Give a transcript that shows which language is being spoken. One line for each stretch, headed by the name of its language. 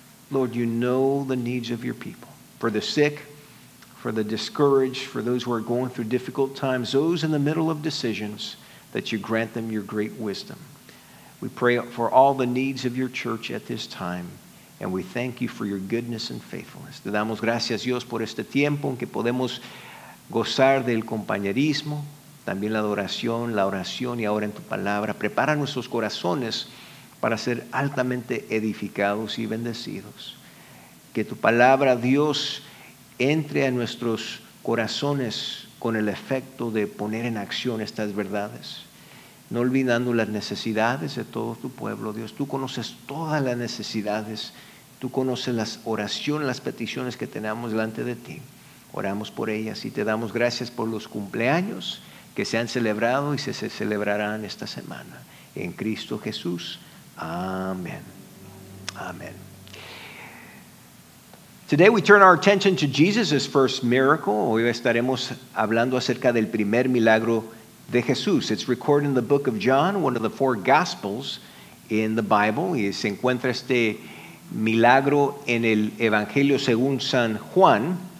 English: Lord, you know the needs of your people. For the sick, for the discouraged, for those who are going through difficult times, those in the middle of decisions, that you grant them your great wisdom. We pray for all the needs of your church at this time. And we thank you for your goodness and faithfulness.
Spanish: Te damos gracias, Dios, por este tiempo en que podemos gozar del compañerismo, también la adoración, la oración y ahora en tu palabra. Prepara nuestros corazones para ser altamente edificados y bendecidos. Que tu palabra, Dios, entre a nuestros corazones con el efecto de poner en acción estas verdades. No olvidando las necesidades de todo tu pueblo, Dios. Tú conoces todas las necesidades. Tú conoces las oraciones, las peticiones que tenemos delante de ti. Oramos por ellas y te damos gracias por los cumpleaños que se han celebrado y se celebrarán esta semana. En Cristo Jesús. Amén. Amén.
English: Today we turn our attention to Jesus' first miracle.
Spanish: Hoy estaremos hablando acerca del primer milagro de Jesús.
English: It's recorded in the book of John, one of the four gospels in the Bible.
Spanish: Y se encuentra este milagro en el Evangelio según San Juan.